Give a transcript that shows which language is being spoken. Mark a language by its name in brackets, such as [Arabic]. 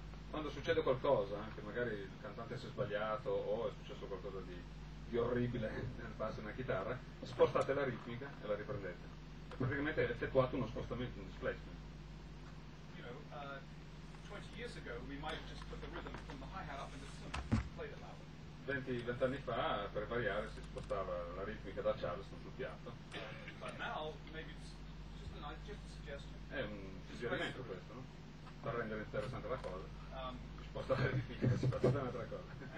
[Italian] Quando succede qualcosa, anche magari il cantante si è sbagliato o è successo qualcosa di orribile nel basso e nella chitarra, spostate la ritmica e la riprendete. Praticamente è effettuato uno spostamento, un displacement. [English] You know, 20 years ago we might have just put the rhythm from the hi-hat up into the synth and played it loud. [Italian] 20 anni fa, per variare, si spostava la ritmica da Charleston sul piatto. [English] But now, maybe it's just a suggestion. [Italian] È un suggerimento questo, no? per rendere interessante la cosa. Posso fare difficile, si passa da un'altra cosa.